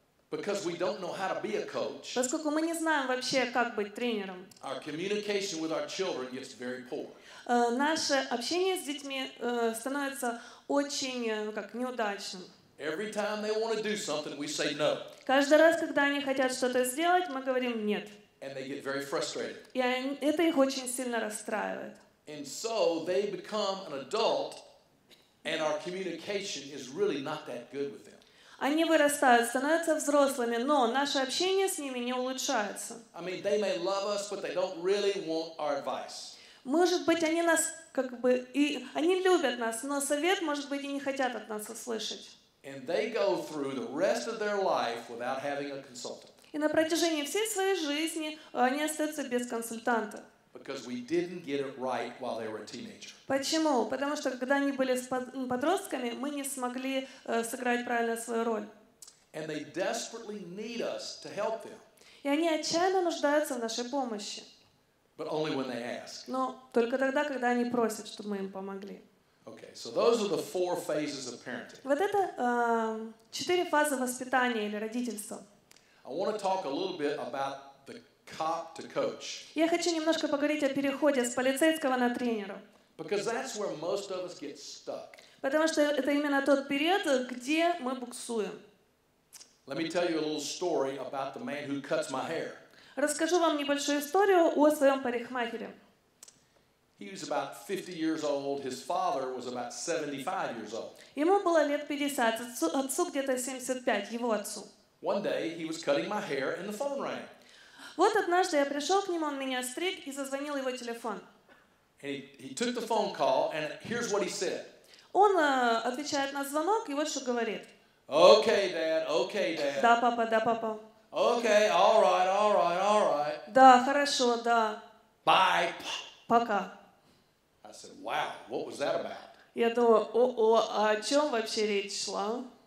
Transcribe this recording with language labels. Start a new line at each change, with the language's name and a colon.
English: because we don't know how to be a coach,
Russian: поскольку мы не знаем вообще, как быть тренером,
English: our communication with our children gets very poor.
Russian: Наше общение с детьми становится очень, ну, как, неудачным.
English: Every time they want to do something, we say no.
Russian: Каждый раз, когда они хотят что-то сделать, мы говорим нет.
English: And they get very frustrated.
Russian: И это их очень сильно расстраивает.
English: And so they become an adult, and our communication is really not that good with them.
Russian: Они вырастают, становятся взрослыми, но наше общение с ними не улучшается.
English: I mean, they may love us, but they don't really want our advice.
Russian: Может быть, они нас как бы и они любят нас, но совет, может быть, и не хотят от нас услышать.
English: And they go through the rest of their life without having a consultant.
Russian: И на протяжении всей своей жизни они остаются без консультанта.
English: Because we didn't get it right while they were a teenager.
Russian: Почему? Потому что когда они были подростками, мы не смогли сыграть правильно свою роль.
English: And they desperately need us to help them.
Russian: И они отчаянно нуждаются в нашей помощи.
English: But only when they ask.
Russian: Но только тогда, когда они просят, чтобы мы им помогли.
English: Okay, so those are the four phases of parenting.
Russian: Вот это четыре фазы воспитания или родительства.
English: I want to talk a little bit about the cop to coach.
Russian: Я хочу немножко поговорить о переходе с полицейского на тренера.
English: Because that's where most of us get stuck.
Russian: Потому что это именно тот период, где мы буксуем.
English: Let me tell you a little story about the man who cuts my hair.
Russian: Расскажу вам небольшую историю о своем парикмахере.
English: He was about 50 years old. His father was about 75 years old.
Russian: Ему было лет 50, отцу где-то 75, его отцу.
English: One day he was cutting my hair and the phone rang.
Russian: Вот однажды я пришел к нему, он меня стриг, и зазвонил его телефон.
English: And he took the phone call, and here's what he said.
Russian: Он отвечает на звонок, и вот что говорит.
English: Okay, Dad, okay, Dad.
Russian: Да, папа, да, папа.
English: Okay, all right.
Russian: Да, хорошо, да.
English: Bye.
Russian: Пока.
English: I said, wow, what was that about?
Russian: Я думаю, о чем вообще речь шла?